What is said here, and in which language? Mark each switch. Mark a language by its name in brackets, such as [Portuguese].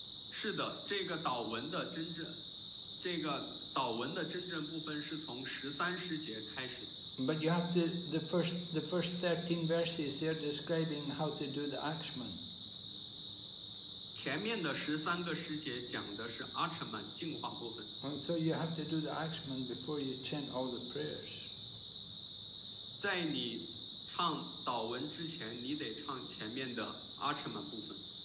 [Chinese] 是的，这个祷文的真正，这个祷文的真正部分是从十三世节开始。 [English] But you have the first 13 verses here describing how to do the Akshman. [Chinese] 前面的十三个诗节讲的是阿什曼净化部分。 [English] So you have to do the Akshman before you chant all the prayers. [Chinese] 在你唱祷文之前，你得唱前面的阿什曼部分。